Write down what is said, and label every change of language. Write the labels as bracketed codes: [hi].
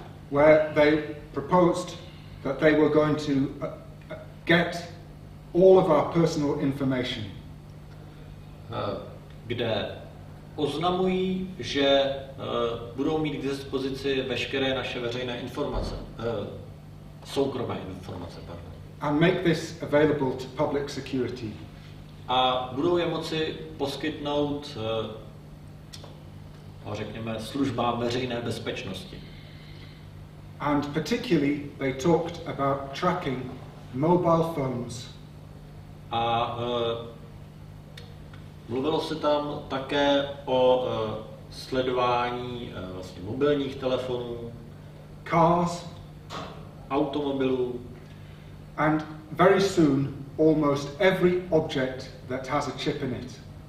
[en] Where they proposed that they were going to get all of our personal information. [cs] Kde oznamují, že budou mít k dispozici veškeré naše veřejné informace, soukromé informace, pardon. [en] And make this available to public security. [cs] A budou je moci poskytnout, řekněme, službám veřejné bezpečnosti. [en] And particularly they talked about tracking mobile phones. [cs] A mluvilo se tam také o sledování vlastně mobilních telefonů, [en] cars, [cs] automobilů, [en] and very soon almost every object that has a chip in it.